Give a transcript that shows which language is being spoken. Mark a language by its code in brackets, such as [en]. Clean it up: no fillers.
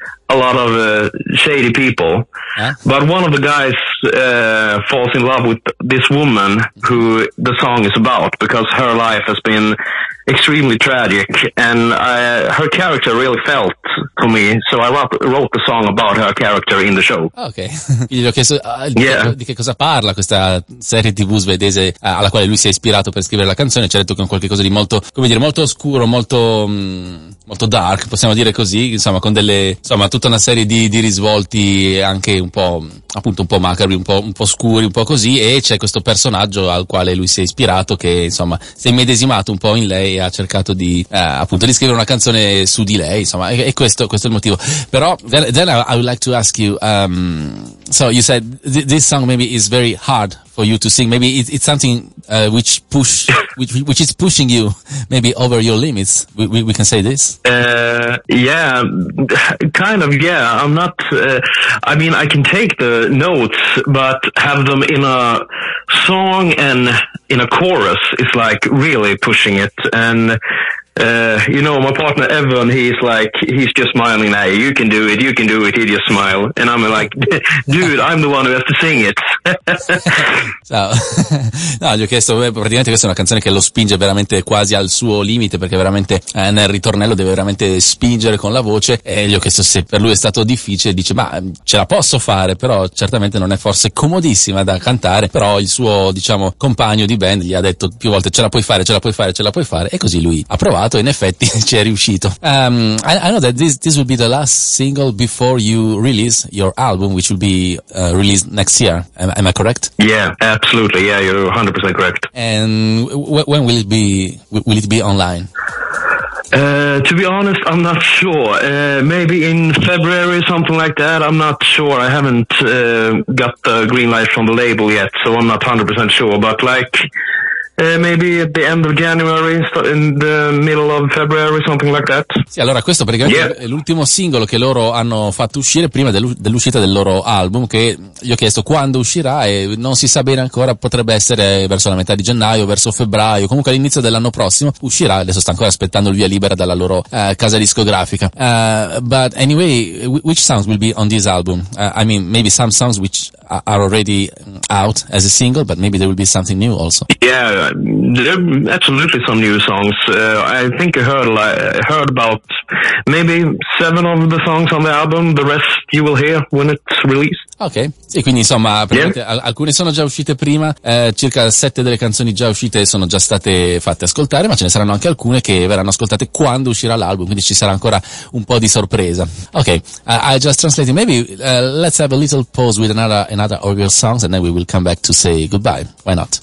[en] A lot of shady people. Huh? But one of the guys falls in love with this woman who the song is about, because her life has been extremely tragic, and her character really felt to me, so I wrote the song about her character in the show. Okay. [it] Quindi gli ho chiesto di che cosa parla questa serie TV svedese alla quale lui si è ispirato per scrivere la canzone. Ci ha detto che è qualcosa di molto, come dire, molto oscuro, molto molto dark, possiamo dire così, insomma, con delle, insomma, tutta una serie di risvolti anche un po', appunto, un po' macabri, un po' scuri, un po' così, e c'è questo personaggio al quale lui si è ispirato, che insomma si è immedesimato un po' in lei e ha cercato di appunto di scrivere una canzone su di lei, insomma, e questo è il motivo. Però [en] then I would like to ask you, so you said this song maybe is very hard for you to sing, maybe it's something which is pushing you maybe over your limits, we can say this. I'm not I mean, I can take the notes, but have them in a song and in a chorus is like really pushing it. And you know, my partner Evan, he's like, he's just smiling at you. You can do it. He just smile, and I'm like, dude, I'm the one who has to sing it. [it] Ciao. No, gli ho chiesto, praticamente questa è una canzone che lo spinge veramente quasi al suo limite, perché veramente nel ritornello deve veramente spingere con la voce, e gli ho chiesto se per lui è stato difficile. Dice, ma ce la posso fare, però certamente non è forse comodissima da cantare, però il suo, diciamo, compagno di band gli ha detto più volte, ce la puoi fare, e così lui ha provato. In effetti ci è riuscito. [en] I know that this will be the last single before you release your album, which will be released next year. Am I correct? Yeah, absolutely. Yeah, you're 100% correct. And when will it be online? To be honest, I'm not sure. Maybe in February or something like that. I'm not sure. I haven't got the green light from the label yet, so I'm not 100% sure. But like, maybe at the end of January, in the middle of February, something like that. [it] Sì, allora questo praticamente è l'ultimo singolo che loro hanno fatto uscire prima dell'uscita del loro album, che gli ho chiesto quando uscirà e non si sa bene ancora, potrebbe essere verso la metà di gennaio, verso febbraio, comunque all'inizio dell'anno prossimo uscirà. Adesso sta ancora aspettando il via libera dalla loro casa discografica. [en] But anyway, which songs will be on this album? I mean, maybe some songs which are already out as a single, but maybe there will be something new also. Yeah, there are absolutely some new songs. I think I heard about maybe 7 of the songs on the album. The rest you will hear when it's released. [it] Ok, sì, quindi insomma, alcune sono già uscite prima, circa 7 delle canzoni già uscite sono già state fatte ascoltare, ma ce ne saranno anche alcune che verranno ascoltate quando uscirà l'album, quindi ci sarà ancora un po' di sorpresa. [en] Ok, I just translated, maybe let's have a little pause with another of your songs and then we will come back to say goodbye, why not?